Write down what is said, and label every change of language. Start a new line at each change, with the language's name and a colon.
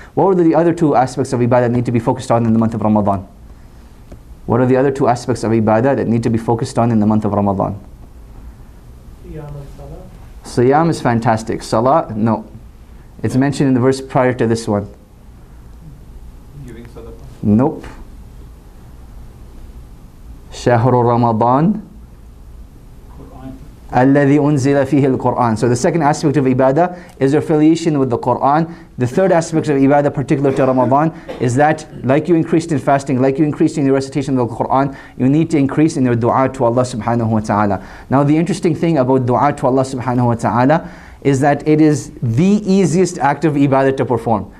English: What were the other two aspects of ibadah that need to be focused on in the month of Ramadan? What are the other two aspects of ibadah that need to be focused on in the month of Ramadan? Siyam and Salah. Siyam is fantastic. Salah, no. It's mentioned in the verse prior to this one. Nope.
Arabic: شهر رمضان الذي أنزل فيه القرآن.
English: So the second aspect of ibadah is affiliation with the Quran. The third aspect of ibadah particular to Ramadan is that like you increased in fasting, like you increased in the recitation of the Quran, you need to increase in your dua to Allah subhanahu wa ta'ala. Now the interesting thing about dua to Allah subhanahu wa ta'ala is that it is the easiest act of ibadah to perform.